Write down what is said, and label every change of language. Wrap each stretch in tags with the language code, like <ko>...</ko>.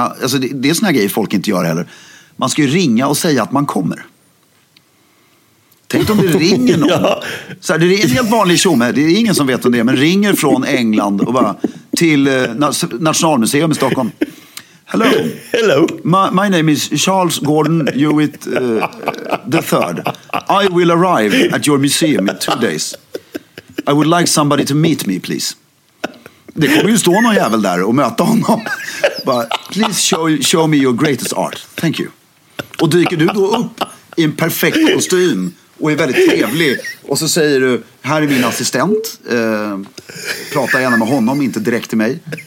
<sv>Alltså det är såna här grejer folk inte gör heller. Man ska ju ringa och säga att man kommer. Tänk om det ringer någon. Så här, det är en helt vanlig tjomme. Det är ingen som vet om det. Men ringer från England och bara till Nationalmuseum i Stockholm.</sv> <en>Hello. Hello. My name is Charles Gordon Hewitt the third. I will arrive at your museum in 2 days. I would like somebody to meet me, please.</en> <sv>Det kommer ju stå någon jävel där och möta honom.</sv> <en>But please show me your greatest art. Thank you.</en> <sv>Och dyker du då upp i en perfekt kostym och är väldigt trevlig. Och så säger du, här är min assistent. Prata gärna med honom, inte direkt till mig.</sv>